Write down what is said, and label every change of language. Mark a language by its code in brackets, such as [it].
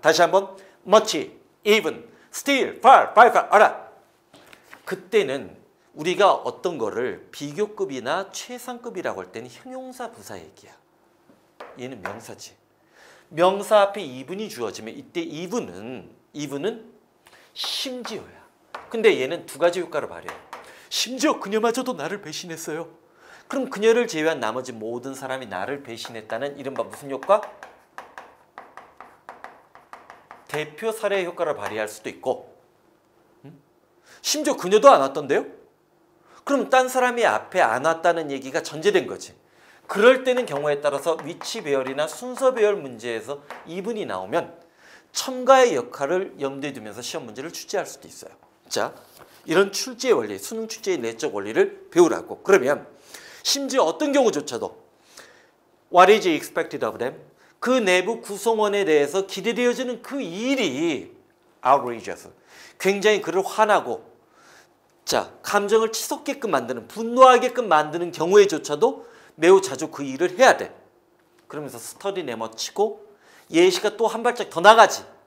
[ko] 다시 한번 [en] Much, even, still, far, far, far, all right. [ko] 그때는 우리가 어떤 거를 비교급이나 최상급이라고 할 때는 형용사 부사 얘기야. 얘는 명사지. 명사 앞에 even이 주어지면 이때 even은 even은 심지어야. 근데 얘는 두 가지 효과를 발휘해. 심지어 그녀마저도 나를 배신했어요. 그럼 그녀를 제외한 나머지 모든 사람이 나를 배신했다는 이른바 무슨 효과? 대표 사례의 효과를 발휘할 수도 있고 심지어 그녀도 안 왔던데요? 그럼 딴 사람이 앞에 안 왔다는 얘기가 전제된 거지. 그럴 때는 경우에 따라서 위치 배열이나 순서 배열 문제에서 이분이 나오면 첨가의 역할을 염두에 두면서 시험 문제를 출제할 수도 있어요. 자, 이런 출제의 원리, 수능 출제의 내적 원리를 배우라고. 그러면 심지어 어떤 경우조차도 [en] What is expected of them? [ko] 그 내부 구성원에 대해서 기대되어지는 그 일이 outrageous. 굉장히 그를 화나고 자 감정을 치솟게끔 만드는 분노하게끔 만드는 경우에조차도 매우 자주 그 일을 해야 돼. 그러면서 스터디 내머치고 예시가 또 한 발짝 더 나가지.